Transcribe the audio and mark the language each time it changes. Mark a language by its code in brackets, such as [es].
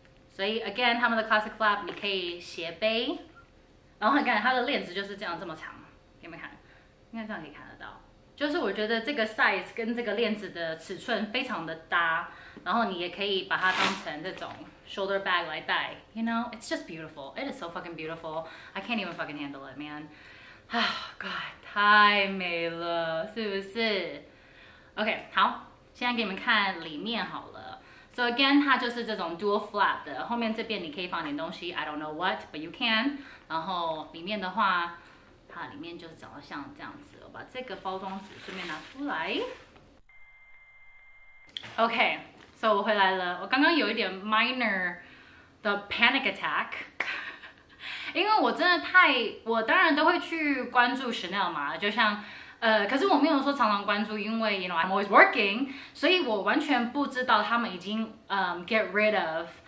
[zh] 所以 again, 他们的 classic flap 你可以斜背，然后你看它的链子就是这样这么长，给你们看，应该这样可以看得到。就是我觉得这个 size 跟这个链子的尺寸非常的搭，然后你也可以把它当成这种 shoulder bag 来带， [en] you know, it's just beautiful, it is so fucking beautiful, I can't even fucking handle it, man. Oh god, [zh] 太美了，是不是？ OK, 好，现在给你们看里面好了。 [en] So again, [zh] 它就是这种 dual flap 的，后面这边你可以放点东西， [en] I don't know what, but you can. [zh] 然后里面的话，它里面就长得像这样子，我把这个包装纸顺便拿出来。 Okay, so 我回来了，我刚刚有一点 minor 的 panic attack, 因为我真的太，我当然都会去关注 Chanel 嘛，就像可是我没有说常常关注，因为 [en] you know I'm always working, [zh] 所以我完全不知道他们已经 [en] get rid of